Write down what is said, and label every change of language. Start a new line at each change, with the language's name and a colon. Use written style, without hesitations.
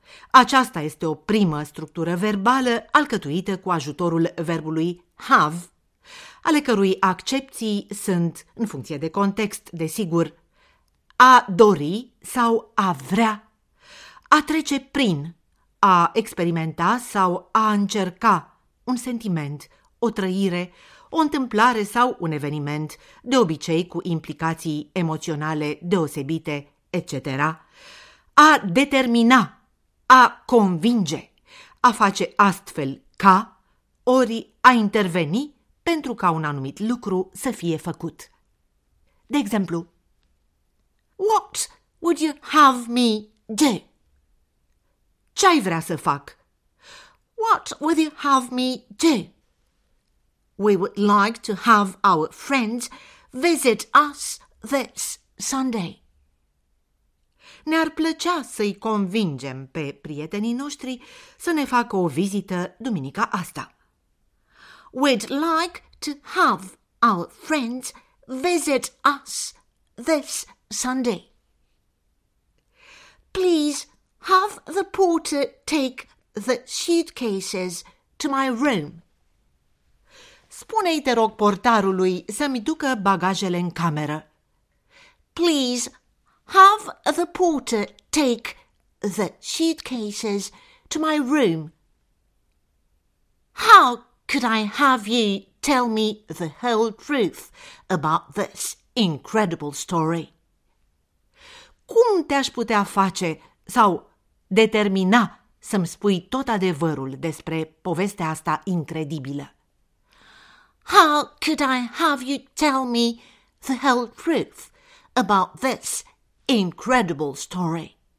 Romanian: Aceasta este o primă structură verbală alcătuită cu ajutorul verbului have, ale cărui accepții sunt, în funcție de context, desigur, a dori sau a vrea, a trece prin, a experimenta sau a încerca un sentiment, o trăire, o întâmplare sau un eveniment, de obicei cu implicații emoționale deosebite, etc. A determina, a convinge, a face astfel ca, ori a interveni pentru ca un anumit lucru să fie făcut. De exemplu,
English: What would you have me do?
Romanian: Ce ai vrea să fac?
English: What would you have me do? We would like to have our friends visit us this Sunday.
Romanian: Ne-ar plăcea să-i convingem pe prietenii noștri să ne facă o vizită duminica asta.
English: We'd like to have our friends visit us this Sunday. Please have the porter take the suitcases to my room.
Romanian: Spune-i, te rog, portarului să-mi ducă bagajele în cameră.
English: Please have the porter take the suitcases to my room. How could I have you tell me the whole truth about this incredible story?
Romanian: Cum te-aș putea face sau determina să-mi spui tot adevărul despre povestea asta incredibilă?
English: How could I have you tell me the whole truth about this incredible story?